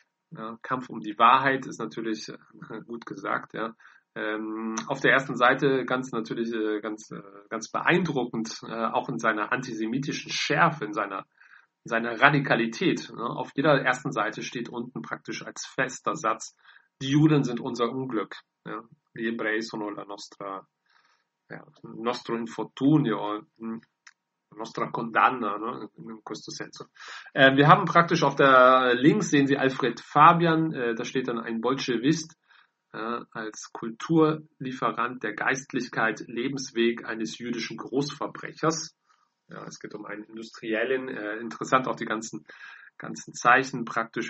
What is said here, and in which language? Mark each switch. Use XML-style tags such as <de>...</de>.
<de>Ja, Kampf um die Wahrheit ist natürlich gut gesagt, ja. Auf der ersten Seite ganz natürlich ganz beeindruckend, auch in seiner antisemitischen Schärfe, in seiner Radikalität. Ne? Auf jeder ersten Seite steht unten praktisch als fester Satz: Die Juden sind unser Unglück. Ja?</de> <it>Die Ebrei sono la nostra, ja, nostro infortunio, nostra condanna, ne? In questo senso.</it> <de>Wir haben praktisch auf der links sehen Sie Alfred Fabian, da steht dann ein Bolschewist. Als Kulturlieferant der Geistlichkeit, Lebensweg eines jüdischen Großverbrechers. Ja, es geht um einen Industriellen. Interessant auch die ganzen Zeichen praktisch.</de>